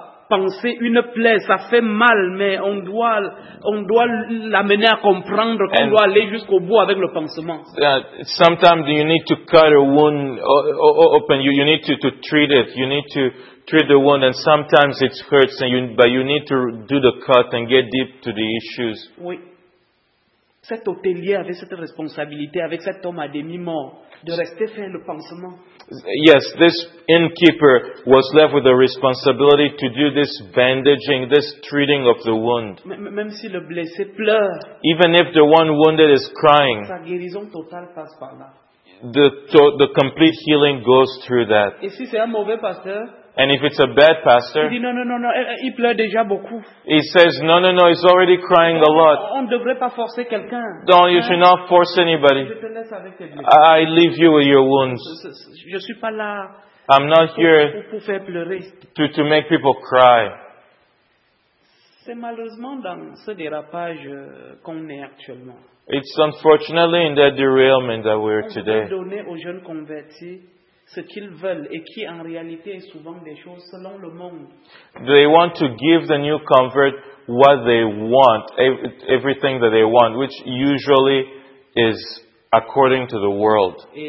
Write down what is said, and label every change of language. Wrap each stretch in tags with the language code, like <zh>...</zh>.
<fr>Penser une plaie, ça fait mal, mais on doit l'amener à comprendre qu'on doit aller jusqu'au bout avec le pansement.</fr> <en>Sometimes you need to cut a wound open. You need to treat it. You need to treat the wound, and sometimes it hurts. But you need to do the cut and get deep to the issues.</en> <fr>Oui. Cet hôtelier avait cette responsabilité avec cet homme à demi-mort de rester faire le pansement.</fr> <en>Yes, this innkeeper was left with the responsibility to do this bandaging, this treating of the wound.</en> <fr>Même si le blessé pleure,</fr> <en>even if the one wounded is crying,</en> <fr>sa guérison totale passe par là.</fr> <en>The complete healing goes through that.</en> <fr>Et si c'est un mauvais pasteur,</fr> <en>and if it's a bad pastor,</en> <fr>il dit, non, il pleure déjà beaucoup.</fr> <en>He says, no, he's already crying a lot.</en> <fr>On ne devrait pas forcer quelqu'un.</fr> <en>Don't, you should not force anybody.</en> <fr>Je te laisse avec tes blessures.</fr> <en>I leave you with your wounds.</en> <fr>Je suis pas là.</fr> <en>I'm not here</en> <fr>pour faire pleurer.</fr> <en>To make people cry.</en> <fr>C'est malheureusement dans ce dérapage qu'on est actuellement.</fr> <en>It's unfortunately in that derailment that we're today.</en> <fr>On peut donner aux jeunes convertis ce qu'ils veulent et qui en réalité est souvent des choses selon le monde.</fr> <en>They want to give the new convert what they want, everything that they want, which usually is according to the world.</en>